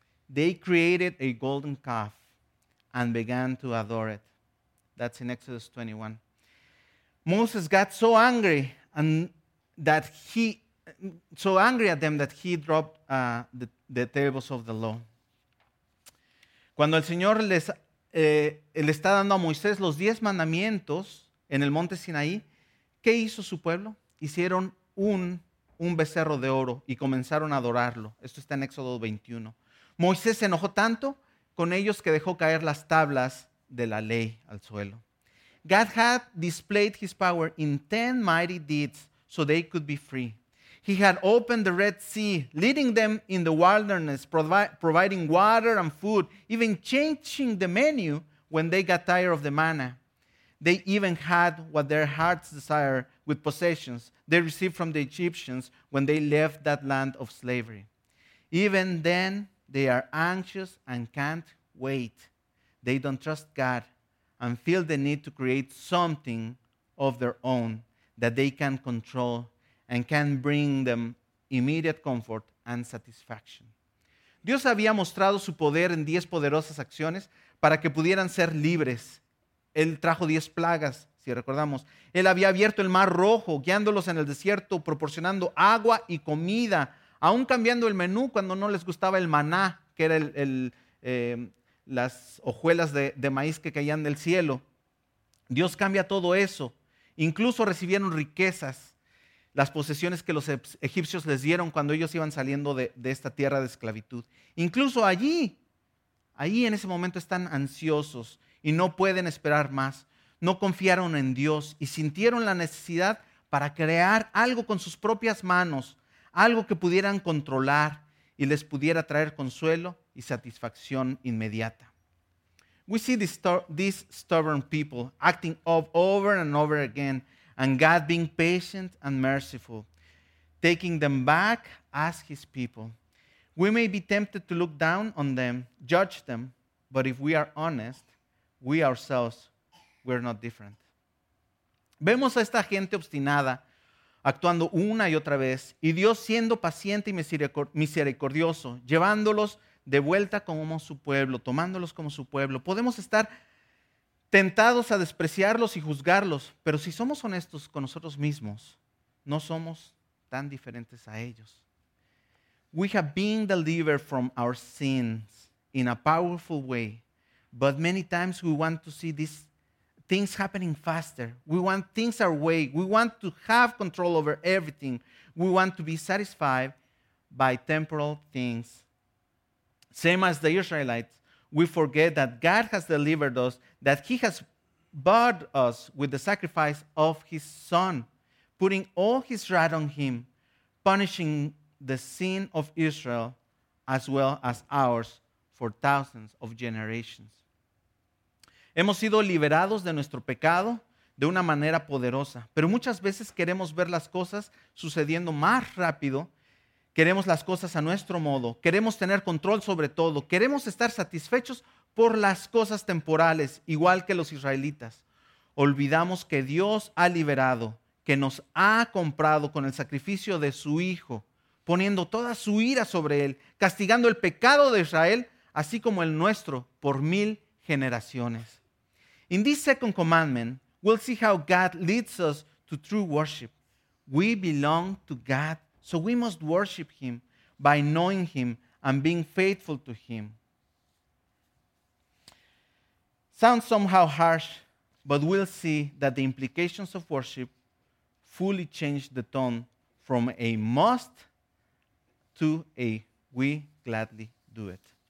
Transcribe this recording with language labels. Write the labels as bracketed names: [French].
[English] They created a golden calf and began to adore it. That's in Exodus 21. Moses got so angry at them that he dropped the tables of the law. [Spanish] Cuando el Señor le está dando a Moisés los 10 mandamientos en el monte Sinaí, ¿qué hizo su pueblo? Hicieron un becerro de oro y comenzaron a adorarlo. Esto está en Éxodo 21. Moisés se enojó tanto con ellos que dejó caer las tablas de la ley al suelo. [English] God had displayed his power in 10 mighty deeds so they could be free. He had opened the Red Sea, leading them in the wilderness, providing water and food, even changing the menu when they got tired of the manna. They even had what their hearts desire with possessions they received from the Egyptians when they left that land of slavery. Even then, they are anxious and can't wait. They don't trust God and feel the need to create something of their own that they can control and can bring them immediate comfort and satisfaction. [Spanish] Dios había mostrado su poder en 10 poderosas acciones para que pudieran ser libres. Él trajo 10 plagas, si recordamos. Él había abierto el Mar Rojo, guiándolos en el desierto, proporcionando agua y comida, aún cambiando el menú cuando no les gustaba el maná, que era las hojuelas de maíz que caían del cielo. Dios cambia todo eso. Incluso recibieron riquezas, las posesiones que los egipcios les dieron cuando ellos iban saliendo de esta tierra de esclavitud. Incluso allí en ese momento están ansiosos y no pueden esperar más. No confiaron en Dios y sintieron la necesidad para crear algo con sus propias manos, algo que pudieran controlar y les pudiera traer consuelo y satisfacción inmediata. [English] We see these stubborn people acting up over and over again, and God being patient and merciful, taking them back as his people. We may be tempted to look down on them, judge them, but if we are honest, we ourselves, we're not different. [Spanish] Vemos a esta gente obstinada, actuando una y otra vez, y Dios siendo paciente y misericordioso, llevándolos de vuelta como su pueblo, tomándolos como su pueblo. Podemos estar tentados a despreciarlos y juzgarlos, pero si somos honestos con nosotros mismos, no somos tan diferentes a ellos. [English] We have been delivered from our sins in a powerful way, but many times we want to see these things happening faster. We want things our way. We want to have control over everything. We want to be satisfied by temporal things. Same as the Israelites, we forget that God has delivered us, that he has bought us with the sacrifice of his son, putting all his wrath on him, punishing the sin of Israel as well as ours for thousands of generations. [Spanish] Hemos sido liberados de nuestro pecado de una manera poderosa, pero muchas veces queremos ver las cosas sucediendo más rápido. Queremos las cosas a nuestro modo, queremos tener control sobre todo, queremos estar satisfechos por las cosas temporales, igual que los israelitas. Olvidamos que Dios ha liberado, que nos ha comprado con el sacrificio de su Hijo, poniendo toda su ira sobre Él, castigando el pecado de Israel, así como el nuestro, por 1,000 generaciones. [English] In this second commandment, we'll see how God leads us to true worship. We belong to God. So we must worship him by knowing him and being faithful to him. Sounds somehow harsh, but we'll see that the implications of worship fully change the tone from a must to a we gladly do it.